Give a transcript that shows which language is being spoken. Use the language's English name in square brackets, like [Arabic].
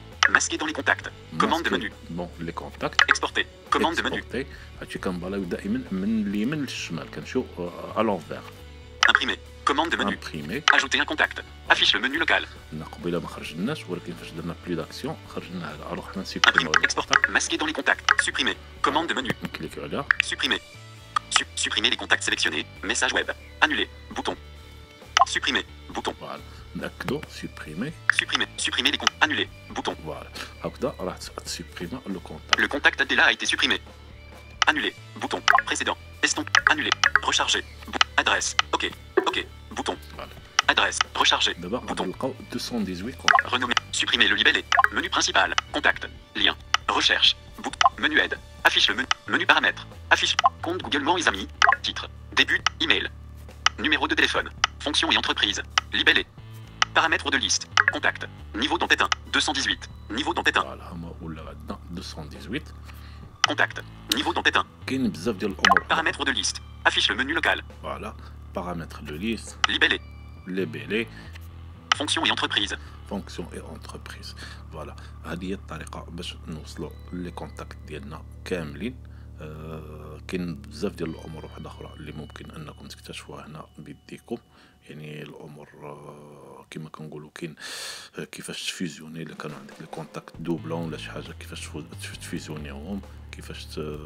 [French] masquer dans les contacts commande de menu bon les contacts exporter commande exporter. de menu [Arabic] exporter هادشي كنبالاو دائما من اليمين للشمال كنشوف [French] à l'envers imprimer commande de menu imprimer ajouter un contact affiche le menu local [Arabic] نقبيله ما خرجناش ولكن فاش درنا [French] plus d'action [Arabic] خرجنا هذا alors حنا [French] supprimer exporter masquer dans les contacts supprimer commande de menu cliquez là supprimer supprimer les contacts sélectionnés message web annuler bouton supprimer bouton voilà. [Arabic] نأكدو supprimer [French] supprimer supprimer les contacts annuler bouton voilà [Arabic] هكذا راح [French] supprimer le contact le contact Adela a été supprimé annuler bouton précédent estompe annuler recharger adresse ok bouton voilà. adresse recharger d'abord bouton 218 renommer supprimer le libellé menu principal contact lien recherche bouton menu aide affiche le menu paramètres affiche compte Google mon ami titre début email numéro de téléphone fonction et entreprise libellé paramètres de liste contact niveau d'entête 1 218 niveau d'entête 1 voilà moi ou là 218 contact niveau d'entête 1 [Arabic] كاين بزاف ديال الامور [French] paramètres de liste affiche le menu local voilà paramètres de liste libellé libellé fonction et entreprise fonction et entreprise voilà [Arabic] هذه هي الطريقه باش نوصلوا لي كونتاكت ديالنا كاملين كاين بزاف ديال الامور واحده اخرى اللي ممكن انكم تكتشفوها هنا بيديكم يعني الامور كما كنقولوا كاين كيفاش تفيزيوني الا كانوا عندك لي كونتاكت دوبلون ولا شي حاجه كيفاش تفيزيونيهم كيفاش